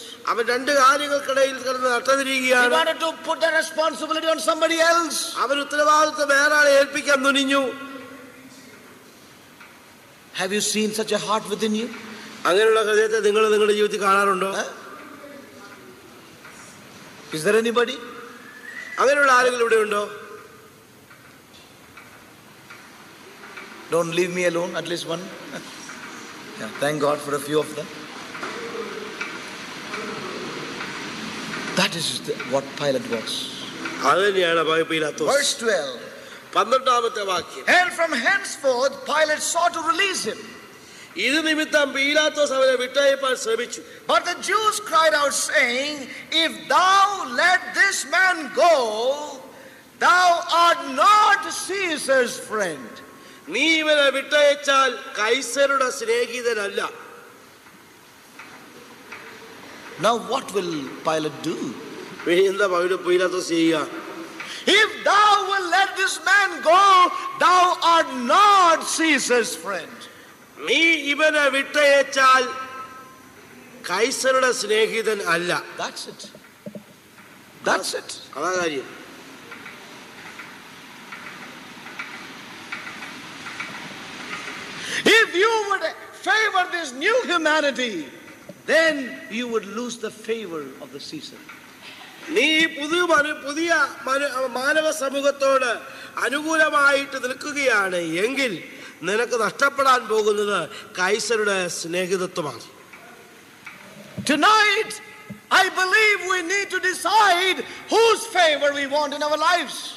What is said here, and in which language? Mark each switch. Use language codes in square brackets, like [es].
[ml] അവൻ രണ്ട് കാര്യങ്ങൾക്കിടയിൽ കിടന്ന് നട്ടതിരിക്കുകയാണ്. [en] He wanted to put the responsibility on somebody else. [ml] അവൻ ഉത്തരവാദിത്വം വേറാളെ ഏൽപ്പിക്കാൻ തുനിഞ്ഞു. [en] Have you seen such a heart within you? [ml] അങ്ങനെയുള്ള ഹൃദയത്തെ നിങ്ങൾ നിങ്ങളുടെ ജീവിതത്തിൽ കാണാറുണ്ടോ? [en] Is there anybody? [ml] അങ്ങനെയുള്ള ആരെങ്കിലും ഇവിടെ ഉണ്ടോ? [en] Don't leave me alone, at least one. Yeah, thank God for a few of them. That is what Pilate was. Alleluia, by Pilate. Verse 12. [ml] Pannirandamathe vakyam. [en] And from henceforth Pilate sought to release him. [ml] Idu nimittam Pilatos avare vittayippan shramichu. [en] But the Jews cried out saying, if thou let this man go, thou art not Caesar's friend. [ml] നീ ഇവനെ വിട്ടയച്ചാൽ കൈസരുടെ സ്നേഹിതനല്ല. [en] Now what will Pilate do? [ml] എന്താ പീലാത്തോസ് ചെയ്യുക? [en] If thou will let this man go, thou art not Caesar's friend. [ml] നീ ഇവനെ വിട്ടയച്ചാൽ കൈസരുടെ സ്നേഹിതൻ അല്ല. [en] That's it. [ml] അതാ കാര്യം. [en] If you would favor this new humanity, then you would lose the favor of the Caesar. [ml] നീ പുതിയ മാനവ സമൂഹത്തോട് അനുകൂലമായിട്ട് നിൽക്കുകയാണ് എങ്കിൽ നിനക്ക് നഷ്ടപ്പെടാൻ പോകുന്നത് കൈസരുടെ സ്നേഹിതത്വമാണ്. [en] Tonight, I believe we need to decide whose favor we want in our lives.